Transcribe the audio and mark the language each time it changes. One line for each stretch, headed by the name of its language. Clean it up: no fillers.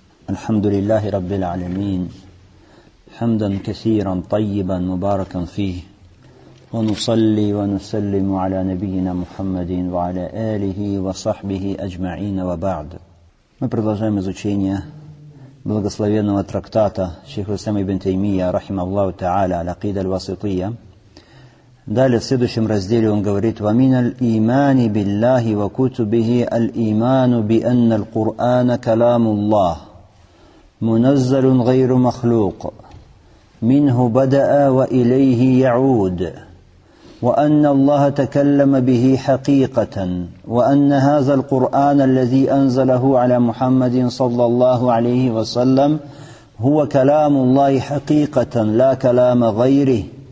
Arabic: الحمد لله رب العالمين، حمدا كثيرا طيبا مباركا فيه، ونصلي ونسلم على نبينا محمد وعلى آله وصحبه أجمعين وبعد.
Russian: Мы продолжаем изучение благословенного трактата Шейх Ислам ибн Таймия
Arabic: رحمه الله تعالى
Russian: العقيدة الواسطية. Далее в следующем разделе он говорит:
Arabic: وَمِنَ الْإِيمَانِ بِاللَّهِ وَكُتُبِهِ الْإِيمَانُ بِأَنَّ الْقُرْآنَ كَلَامُ اللَّهِ مُنَزَّلٌ غَيْرُ مَخْلُوقٍ مِنْهُ بَدَأَ وَإِلَيْهِ يَعُودُ وَأَنَّ اللَّهَ تَكَلَّمَ بِهِ حَقِيقَةً وَأَنَّ هَذَا الْقُرْآنَ الَّذِي أَنْزَلَهُ عَلَى مُحَمَّدٍ صَلَّى اللَّهُ عَلَيْهِ وَسَلَّمَ هُوَ كَلَامُ اللَّهِ حَقِيقَةً لَا كَلَامَ غَيْرِهِ